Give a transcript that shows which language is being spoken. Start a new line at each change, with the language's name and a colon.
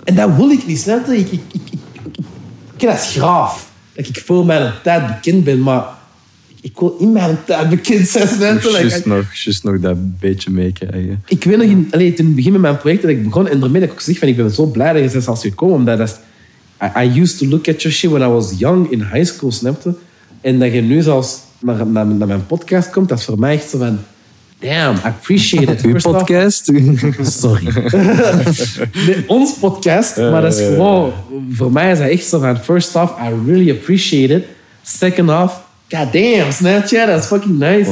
Dutch: en dat wil ik niet, snap je? Ik vind dat graaf. Dat ik voor mijn tijd bekend ben, maar... Ik wil in mijn tijd bekend zijn, snap je? Nog dat beetje meekrijgen. Ik weet nog, toen het begin met mijn project dat ik begon... En daarmee dat ik ook zeg, ik ben zo blij dat je bent als je komt. Omdat dat is,
English: I used to look at your shit when I was young in high school,
Dutch: snap je? En dat je nu zelfs naar mijn podcast komt, dat is voor mij echt zo van...
English: Damn, I appreciate it.
Dutch: Uw podcast? Sorry. Nee, ons podcast, maar dat is gewoon... Voor mij is dat echt zo van...
English: First off, I really appreciate it. Second off, goddamn,
Dutch: snap je? Dat is fucking nice.